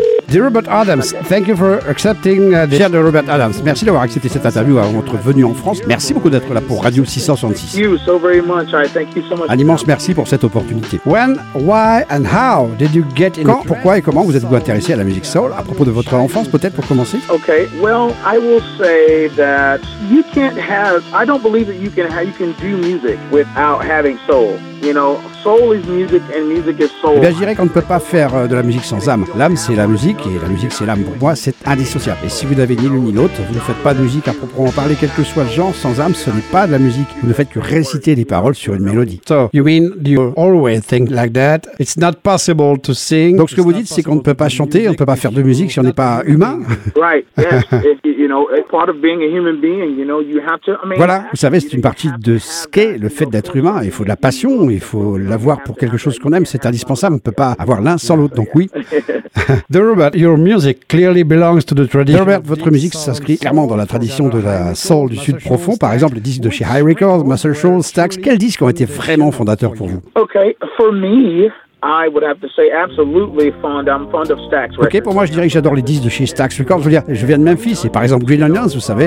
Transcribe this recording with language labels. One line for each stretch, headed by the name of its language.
English: Dear Robert Adams, thank you for accepting this.
French: Cher Robert Adams, merci d'avoir accepté cette interview avant votre venue en France. Merci beaucoup d'être là pour Radio 666.
English: You so very much. I thank you so much.
French: Un immense merci pour cette opportunité.
English: When, why and how did you get into?
French: Quand, pourquoi et comment vous êtes-vous intéressé à la musique soul? À propos de votre enfance, peut-être pour commencer.
English: Okay. Well, I will say that you can't have. I don't believe that you can do music without having soul. You know, soul is music and music is soul.
French: Eh bien, je dirais qu'on ne peut pas faire de la musique sans âme. L'âme, c'est la musique et la musique, c'est l'âme. Pour moi, c'est indissociable. Et si vous n'avez ni l'une ni l'autre, vous ne faites pas de musique à proprement parler, quel que soit le genre, sans âme, ce n'est pas de la musique. Vous ne faites que réciter des paroles sur une mélodie.
English: So, you mean you always think like that? It's not possible to sing.
French: Donc, ce que vous dites, c'est qu'on ne peut pas chanter, on ne peut pas faire de musique si on n'est pas humain.
English: Right, yes. You know, part of being a human being, you know, you have to.
French: Voilà, vous savez, c'est une partie de ce qu'est le fait d'être humain. Il faut de la passion. Il faut l'avoir pour quelque chose qu'on aime, c'est indispensable. On ne peut pas avoir l'un sans l'autre, donc oui.
English: Robert, your music clearly belongs to the tradition.
French: Robert, votre musique s'inscrit clairement dans la tradition de la soul du sud profond. Par exemple, les disques de chez High Records, Muscle Shoals, Stax. Quels disques ont été vraiment fondateurs pour vous?
English: Okay, for me, I would have to say absolutely fond. I'm fond of Stax Records.
French: Okay, pour moi, je dirais que j'adore les disques de chez Stax Records. Je veux dire, je viens de Memphis, et par exemple Green Onions, vous savez.